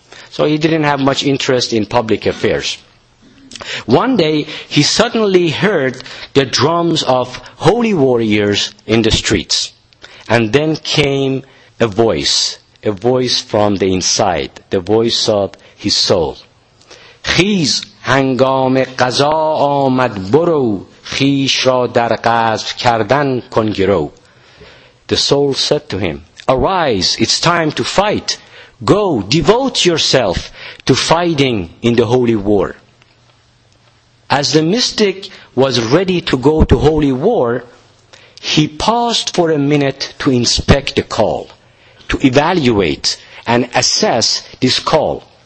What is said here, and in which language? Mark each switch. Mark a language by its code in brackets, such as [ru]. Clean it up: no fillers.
[en] So he didn't have much interest in public affairs. One day he suddenly heard the drums of holy warriors in the streets, and then came a voice from the inside, the voice of his soul. [fa] خیز هنگام قضا آمد برو خیش را در قصد کردن کن گرو. [en] The soul said to him, arise, it's time to fight. Go, devote yourself to fighting in the holy war. As the mystic was ready to go to holy war, he paused for a minute to inspect the call, to evaluate and assess this call.